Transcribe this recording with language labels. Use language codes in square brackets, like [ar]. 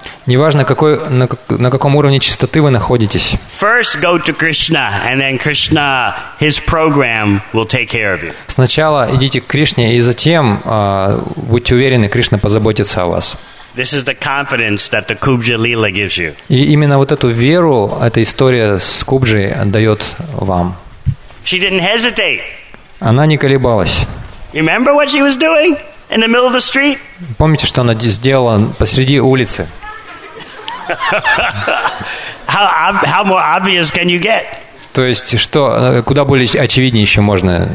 [ru] Неважно, какой, на каком уровне чистоты вы находитесь. [en] First go to Krishna, and then Krishna, his program will take care of you. [ru] Сначала идите к Кришне, и затем будьте уверены, Кришна позаботится о вас. [en] This is the confidence that the Kubja Lila gives you. [ru] И именно вот эту веру эта история с Кубжей дает вам. [en] She didn't hesitate. [ru] Она не колебалась. [en] Remember what she was doing in the middle of the street? [ru] Помните, что она сделала посреди улицы? [en] How more obvious can you get? [ru] То есть что, куда более очевиднее еще можно